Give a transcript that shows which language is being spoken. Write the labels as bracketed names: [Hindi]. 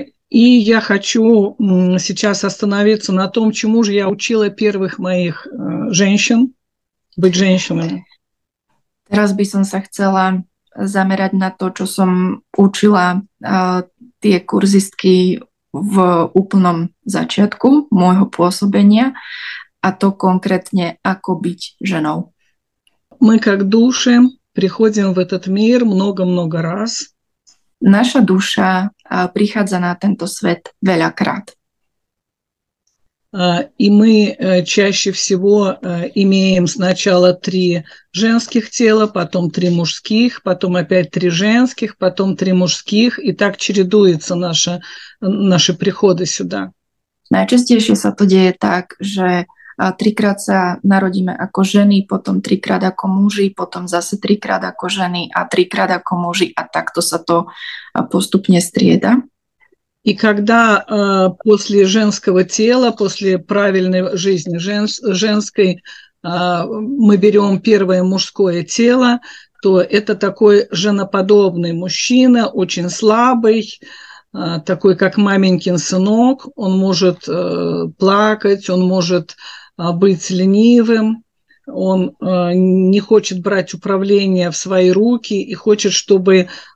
[Russian] И я хочу сейчас остановиться на том, чему же я учила первых моих женщин быть женщинами. [Slovak] Teraz by som sa chcela zamerať na to, čo som učila tie kurzistky v úplnom začiatku môjho pôsobenia, a to konkrétne, ako byť ženou. [Russian] My, как души, приходим в этот мир много-много раз. [Slovak] Naša duša prichádza na tento svet veľakrát. [Russian] И мы чаще всего имеем сначала три женских тела, потом три мужских, потом опять три женских, потом три мужских, и так чередуется наши приходы сюда. [Slovak] Najčastejšie sa to deje tak, že trikrát sa narodíme ako ženy, potom trikrát ako muži, potom zase trikrát ako ženy a trikrát ako muži, a takto sa to postupne strieda. [Russian] И когда после женского тела, после правильной жизни женской, мы берем первое мужское тело, то это такой женоподобный мужчина, очень слабый, такой как маменькин сынок, он может плакать, он может быть ленивым, он не хочет брать управление в свои руки и хочет, чтобы...